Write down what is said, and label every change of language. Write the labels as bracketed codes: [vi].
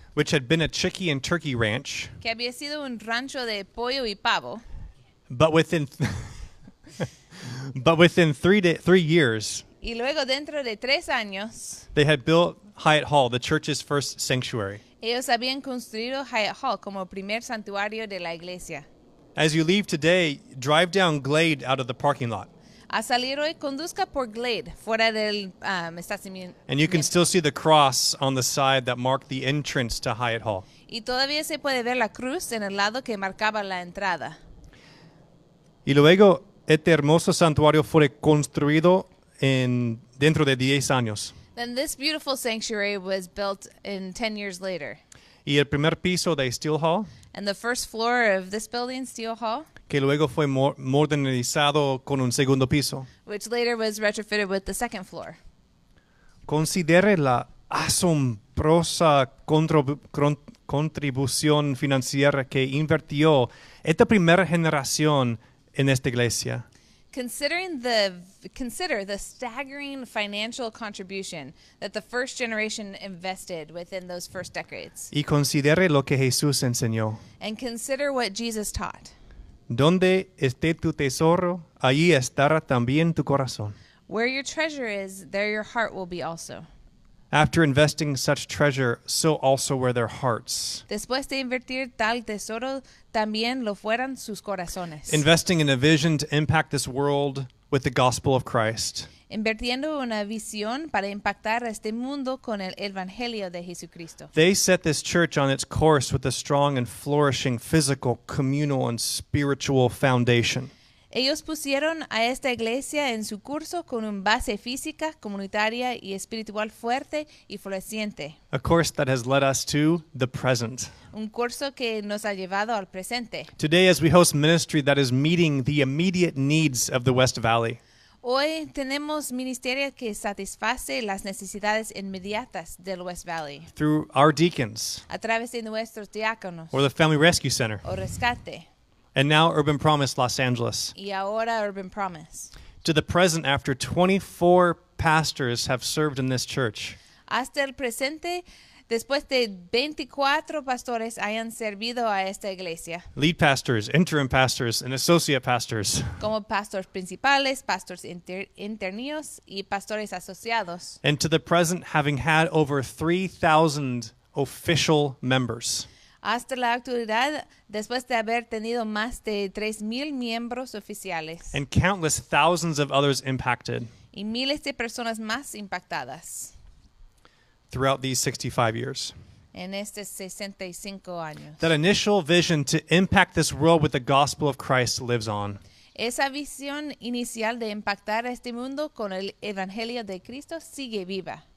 [en] which had been a chicken and turkey ranch, [es] que había sido un rancho de pollo y pavo, [en] but within three years, [es] y luego dentro de tres años, [en] they had built Hyatt Hall, the church's first sanctuary. [es] Ellos habían construido Hyatt Hall como primer santuario de la iglesia. [en] As you leave today, drive down Glade out of the parking lot. [es] A salir hoy, conduzca por Glade, fuera del estacionamiento. [en] And you can still see the cross on the side that marked the entrance to Hyatt Hall. [es] Y todavía se puede ver la cruz en el lado que marcaba la entrada. Y luego, este hermoso santuario fue construido dentro de 10 años. [en] Then this beautiful sanctuary was built in 10 years later. [es] Y el primer piso de Steel Hall. [en] And the first floor of this building, Steel Hall. [es] Que luego fue modernizado con un segundo piso. [en] Which later was retrofitted with the second floor. [es] Considere la asombrosa contribución financiera que invirtió esta primera generación en esta iglesia. [en] Consider the staggering financial contribution that the first generation invested within those first decades. [es] Y considere lo que Jesús enseñó. [en] And consider what Jesus taught. [es] Donde esté tu tesoro, allí estará también tu corazón. [en] Where your treasure is, there your heart will be also. After investing such treasure, so also were their hearts. [es] Después de invertir tal tesoro, también lo fueran sus corazones. [en] Investing in a vision to impact this world with the gospel of Christ. [es] Invirtiendo una visión para impactar este mundo con el Evangelio de Jesucristo. [en] They set this church on its course with a strong and flourishing physical, communal, and spiritual foundation. [es] Ellos pusieron a esta iglesia en su curso con una base física, comunitaria, y espiritual fuerte y floreciente. [en] A course that has led us to the present. [es] Un curso que nos ha llevado al presente. [en] Today, as we host ministry that is meeting the immediate needs of the West Valley. [es] Hoy tenemos ministerio que satisface las necesidades inmediatas del West Valley. [en] Through our deacons. [es] A través de nuestros diáconos. [en] Or the Family Rescue Center. [es] O rescate. [en] And now Urban Promise Los Angeles. [es] Y ahora Urban Promise. [en] To the present, after 24 pastors have served in this church. [es] Hasta el presente, después de 24 pastores hayan servido a esta iglesia. [en] Lead pastors, interim pastors, and associate pastors. [es] Como pastores principales, pastores internos y pastores asociados. [en] And to the present, having had over 3,000 official members. [es] Hasta la actualidad, después de haber tenido más de 3,000 miembros oficiales. [en] And countless thousands of others impacted. [es] Y miles de personas más impactadas. [en] Throughout these 65 years. [es] En estos 65 años. [en] That initial vision to impact this world with the gospel of Christ lives on. [es] Esa visión inicial de impactar este mundo con el evangelio de Cristo sigue viva.